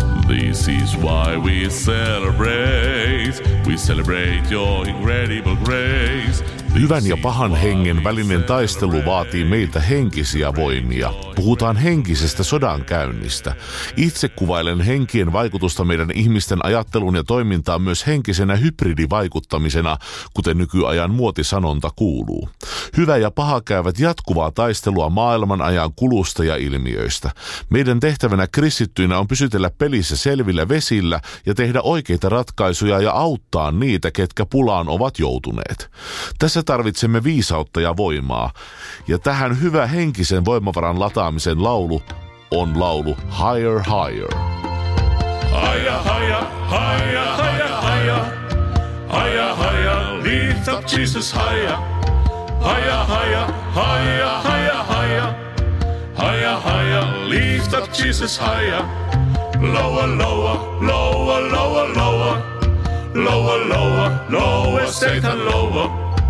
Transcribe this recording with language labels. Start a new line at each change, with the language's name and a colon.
English: This is why we celebrate your incredible grace.
Finnish: Hyvän ja pahan hengen välinen taistelu vaatii meiltä henkisiä voimia. Puhutaan henkisestä sodankäynnistä. Itse kuvailen henkien vaikutusta meidän ihmisten ajatteluun ja toimintaan myös henkisenä hybridivaikuttamisena, kuten nykyajan muotisanonta kuuluu. Hyvä ja paha käyvät jatkuvaa taistelua maailman ajan kulusta ja ilmiöistä. Meidän tehtävänä kristittyinä on pysytellä pelissä selvillä vesillä ja tehdä oikeita ratkaisuja ja auttaa niitä, ketkä pulaan ovat joutuneet. Tässä tarvitsemme viisautta ja voimaa, ja tähän hyvä henkisen voimavaran lataamisen laulu on laulu Higher Higher.
English: Higher Higher, Higher Higher, Higher Higher, lift up Jesus higher. Higher Higher, Higher Higher, Higher Higher, lift up Jesus higher. Lower Lower, Lower Lower Lower, Lower Lower, Lower Satan Lower.